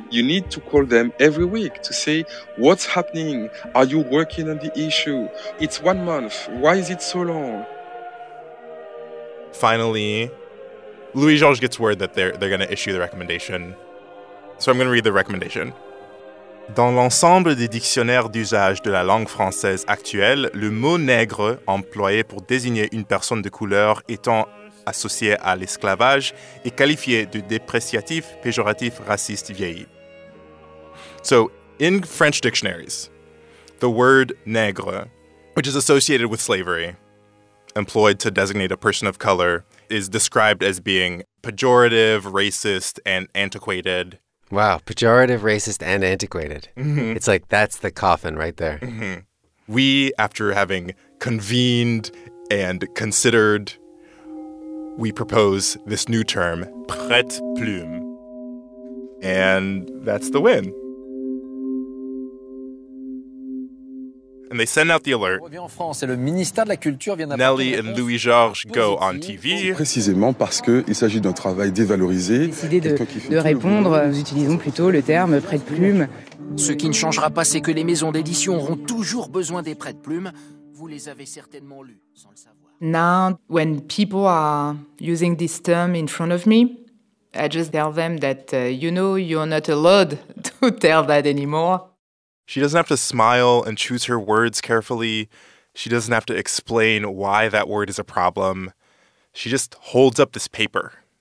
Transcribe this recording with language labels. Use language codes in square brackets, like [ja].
[en] You need to call them every week to say, what's happening? Are you working on the issue? It's 1 month. Why is it so long? Finally, Louis Georges gets word that they're going to issue the recommendation. So I'm going to read the recommendation. [fr] Dans l'ensemble des dictionnaires d'usage de la langue française actuelle, le mot « nègre » employé pour désigner une personne de couleur étant associé à l'esclavage est qualifié de dépréciatif, péjoratif, raciste, vieilli. [en] So, in French dictionaries, the word « nègre », which is associated with slavery, employed to designate a person of color, is described as being pejorative, racist, and antiquated. Wow, pejorative, racist, and antiquated. Mm-hmm. It's like, that's the coffin right there. Mm-hmm. We, after having convened and considered, we propose this new term, prête-plume. And that's the win. And they send out the alert. Nelly and Louis Georges go on TV. [fr] Précisément parce que il s'agit d'un travail dévalorisé. Décider de répondre, nous utilisons plutôt le terme prête-plume. Ce qui ne changera pas, c'est que les maisons d'édition auront toujours besoin des prête-plumes. Vous les avez certainement lus, sans le savoir. [en] Now, when people are using this term in front of me, I just tell them that you know you're not allowed to tell that anymore. She doesn't have to smile and choose her words carefully. She doesn't have to explain why that word is a problem. She just holds up this paper.